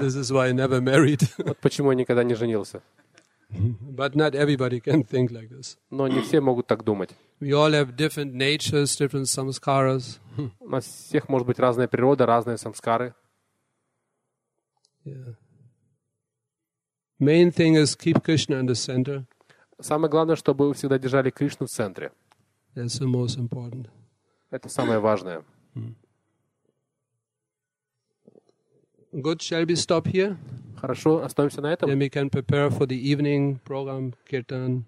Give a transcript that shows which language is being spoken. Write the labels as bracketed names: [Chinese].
[English] This is why I never married. [Russian] Вот почему я никогда не женился. [English] But not everybody can think like this. [Russian] Но не все могут так думать. [English] We all have different natures, different samskaras. [Russian] У нас всех может быть разная природа, разные самскары. [English] Yeah. Main thing is keep Krishna in the center. [Russian] Самое главное, чтобы вы всегда держали Кришну в центре. [English] That's the most important. [Russian] Это самое важное. [English] Good, shall we stop here? [Russian] Хорошо, остановимся на этом. [English] Then we can prepare for the evening program, kirtan.